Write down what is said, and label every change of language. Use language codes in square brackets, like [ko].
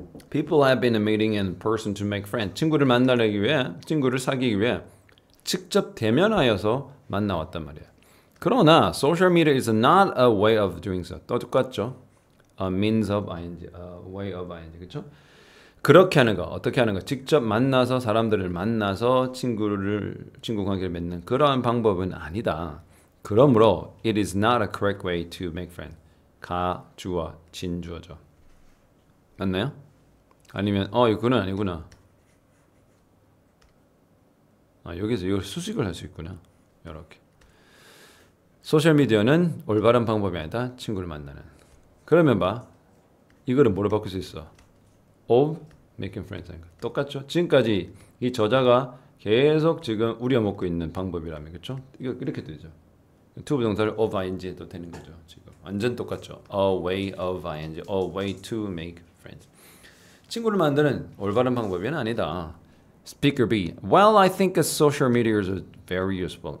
[en] People have been meeting in person to make friends. [ko] 친구를 만나려기 위해, 친구를 사귀기 위해 직접 대면하여서 만나왔단 말이야. 그러나 [en] social media is not a way of doing so. [ko] 또 똑같죠? [en] A means of ing, a way of ing, [ko] 그렇죠? 그렇게 하는 거, 어떻게 하는 거? 직접 만나서 사람들을 만나서 친구 관계를 맺는 그러한 방법은 아니다. 그러므로 [en] it is not a correct way to make friends. [ko] 가 주어, 진 주어죠. 맞나요? 아니면 이거는 아니구나. 아 여기서 이걸 수식을 할 수 있구나. 이렇게. 소셜 미디어는 올바른 방법이 아니다. 친구를 만나는. 그러면 봐. 이거를 뭐로 바꿀 수 있어? [en] Of making friends. 똑같죠. [ko] 지금까지 이 저자가 계속 지금 우려먹고 있는 방법이라면 그렇죠? 이거 이렇게 되죠. 투부 동사를 of ing 해도 되는 거죠. [en] 지금 완전 똑같죠. A way of ing, a way to make friends. [ko] 친구를 만드는 올바른 방법은 아니다. [en] Speaker B. Well, I think social media is very useful.